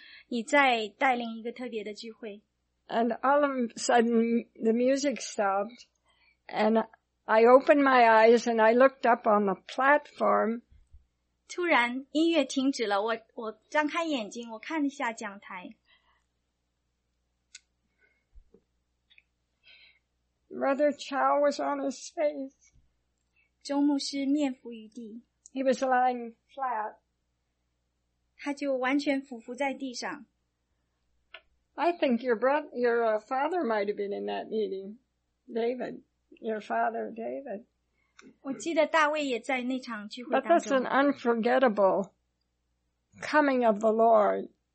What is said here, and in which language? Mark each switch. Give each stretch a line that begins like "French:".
Chinese: 另外一个宝贵的记忆是当我们在台湾的时候，那一次玛丽你在带领一个特别的聚会。
English: And all of a sudden the music stopped and I opened my eyes and I looked up on the platform.
Chinese: 突然音乐停止了，我张开眼睛，我看了一下讲台。
English: Brother Chow was on his face.
Chinese: 周牧师面伏于地。
English: He was lying flat.
Chinese: 他就完全俯伏在地上。
English: I think your father might have been in that meeting, David. Your father, David.
Chinese: 我记得大卫也在那场聚会当中。
English: But that's an unforgettable coming of the Lord.